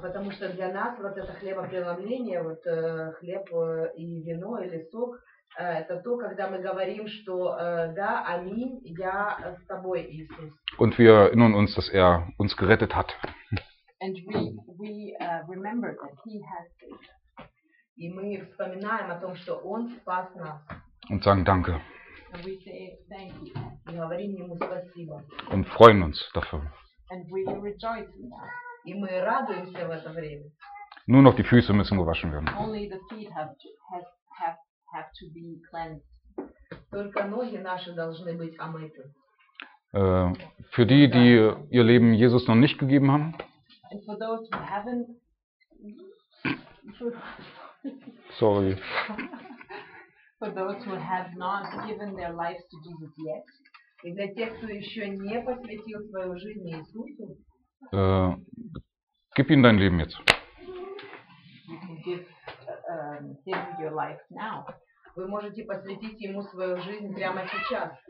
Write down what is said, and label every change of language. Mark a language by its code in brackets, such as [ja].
[ru] Потому что для нас вот это хлебопреломление, вот хлеб и вино или сок, это то, когда мы говорим, что да, аминь, я с тобой, Иисус. [de] Und wir erinnern uns, dass er uns gerettet hat. [en] And we remember that he has saved us. [ru] И мы вспоминаем о том, что он спас нас. [de] Und sagen danke. [en] And we say thank you. [ru] И говорим ему спасибо. [de] Und freuen uns dafür. [en] And we rejoice in that. [ru] И мы радуемся в это время. [de] Nur noch die Füße müssen gewaschen werden. [en] Only the feet have to be cleansed. [ru] Только ноги наши должны быть омыты. [de] Für die, die ihr Leben Jesus noch nicht gegeben haben. [en] And for those who haven't. Sorry. For those who have not given their lives to Jesus yet. [ru] И для тех, кто еще не посвятил свою жизнь Иисусу. [de] Gib ihm dein Leben jetzt. [en] You can give him your life now. [ru] Вы можете посвятить ему свою жизнь прямо сейчас.